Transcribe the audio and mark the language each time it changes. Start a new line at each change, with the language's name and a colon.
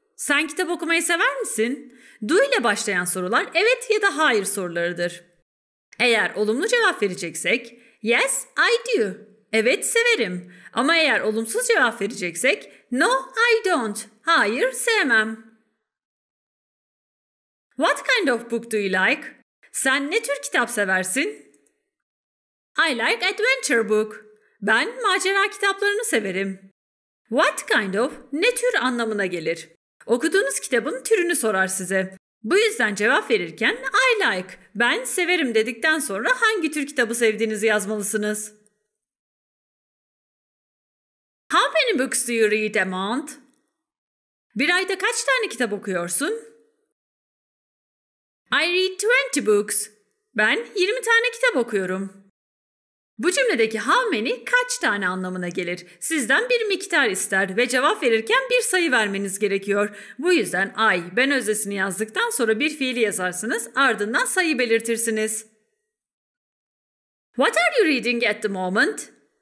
Turkish: Sen kitap okumayı sever misin? Do ile başlayan sorular evet ya da hayır sorularıdır. Eğer olumlu cevap vereceksek,
English: yes, I do.
Turkish: Evet, severim. Ama eğer olumsuz cevap vereceksek,
English: no, I don't.
Turkish: Hayır, sevmem.
English: What kind of book do you like?
Turkish: Sen ne tür kitap seversin?
English: I like adventure book.
Turkish: Ben macera kitaplarını severim. What kind of ne tür anlamına gelir? Okuduğunuz kitabın türünü sorar size. Bu yüzden cevap verirken I like, ben severim dedikten sonra hangi tür kitabı sevdiğinizi yazmalısınız.
English: How many books do you read a month?
Turkish: Bir ayda kaç tane kitap okuyorsun?
English: I read 20 books.
Turkish: Ben 20 tane kitap okuyorum. Bu cümledeki how many kaç tane anlamına gelir? Sizden bir miktar ister ve cevap verirken bir sayı vermeniz gerekiyor. Bu yüzden I, ben öznesini yazdıktan sonra bir fiili yazarsınız, ardından sayı belirtirsiniz.
English: What are you reading at the moment?